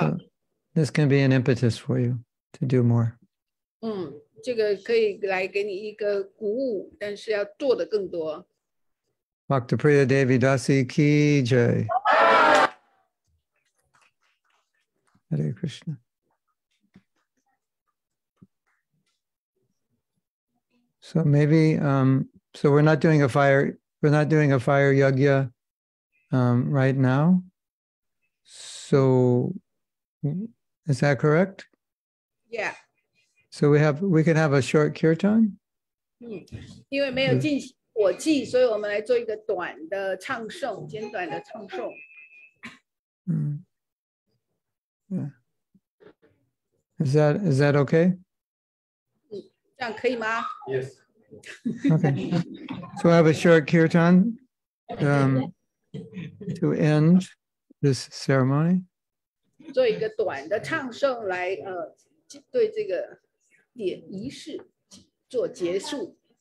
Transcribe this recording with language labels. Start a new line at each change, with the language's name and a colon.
English: Right, so this can be an impetus for you to do more.
Chinese: 这个可以来给你一个鼓舞，但是要做的更多。
English: Bhakta Priya Devi Dasi Ki Jai. Hare Krishna. So maybe so we're not doing a fire yagya right now. So is that correct? Yeah. So we can have a short kirtan? Is that okay?
Chinese: 这样可以吗?
English: Yes. Okay. So I have a short kirtan to end this ceremony.
Chinese: 做一个短的唱诵来, 对这个 仪式做结束。